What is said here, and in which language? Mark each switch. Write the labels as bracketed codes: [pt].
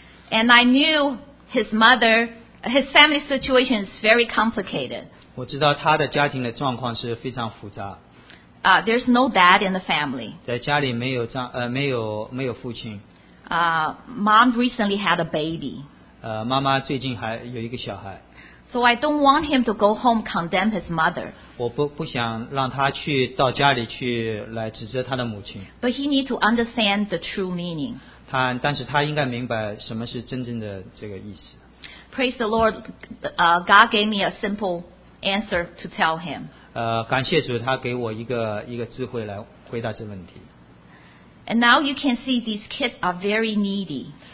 [en] And I knew his family situation is very complicated. [zh] 我知道他的家庭的状况是非常复杂。 [en] There's no dad in the family. [zh] 在家里没有父亲。 [en] Mom recently had a baby. [zh] 妈妈最近还有一个小孩。 [en] So I don't want him to go home condemn his mother. [zh] 我不想让他去到家里去来指责他的母�in。 [en] But he need to understand the true meaning. [zh] 但是他应该明白什么是真正的这个意思。 [en] Praise the Lord, God gave me a simple answer to tell him. [zh] 感谢主，他给我一个智慧来回答这问题。 [en] And now you can see these kids are very needy.